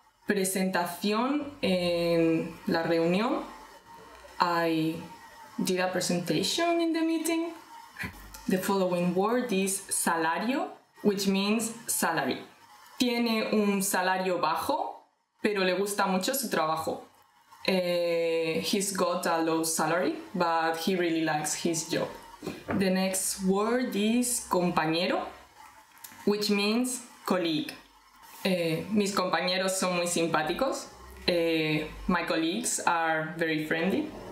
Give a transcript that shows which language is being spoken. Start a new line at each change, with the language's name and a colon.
Spanish: presentación en la reunión.
English: I did a presentation in the meeting. The following word is salario, which means salary.
Spanish: Tiene un salario bajo, pero le gusta mucho su trabajo.
English: He's got a low salary, but he really likes his job. The next word is compañero, which means colleague.
Spanish: Mis compañeros son muy simpáticos.
English: My colleagues are very friendly.